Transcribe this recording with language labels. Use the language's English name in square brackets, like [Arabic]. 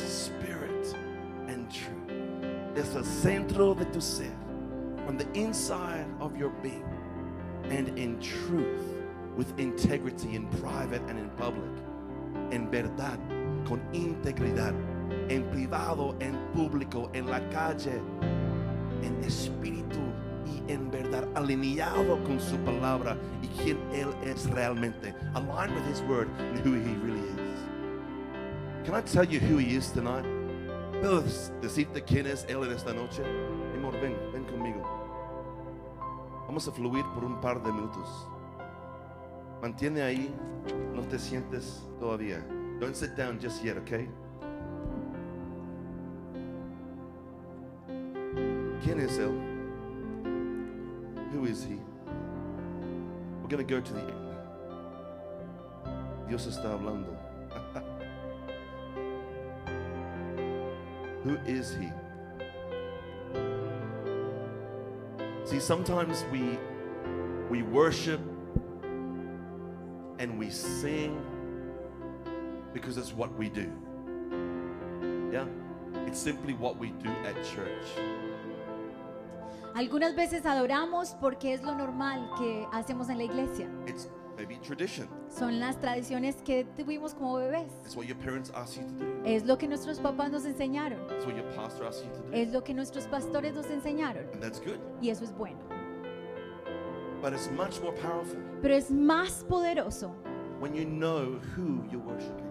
[English] Spirit and truth. [Spanish] Desde el centro de tu ser, [English] from the inside of your being, and in truth, with integrity in private and in public, [Spanish] en verdad, con integridad, en privado, en público, en la calle, en espíritu y en verdad, alineado con su palabra y quien él es realmente, [English] aligned with his word and who he really is. Can I tell you who he is tonight? [Spanish] ¿Puedo decirte quién es él en esta noche? Amor, ven, ven conmigo. Vamos a fluir por un par de minutos. Mantiene ahí, no te sientes todavía. [English] Don't sit down just yet, okay? [Spanish] ¿Quién es él? [English] Who is he? We're going to go to the end. [Spanish] Dios está hablando. [English] Who is he? See, sometimes we worship and we sing because it's what we do. Yeah? It's simply what we do at church. [Spanish] Algunas veces adoramos porque es lo normal que hacemos en la iglesia. [English] It's maybe tradition. [Spanish] Son las tradiciones que tuvimos como bebés. [English] It's what your parents asked you to do. [Spanish] Es lo que nuestros papás nos enseñaron. [English] It's what your pastor asked you to do. [Spanish] Es lo que nuestros pastores nos enseñaron. [English] And that's good. [Spanish] Y eso es bueno. [English] But it's much more powerful. [Spanish] Pero es más poderoso. [English] When you know who you're worshiping.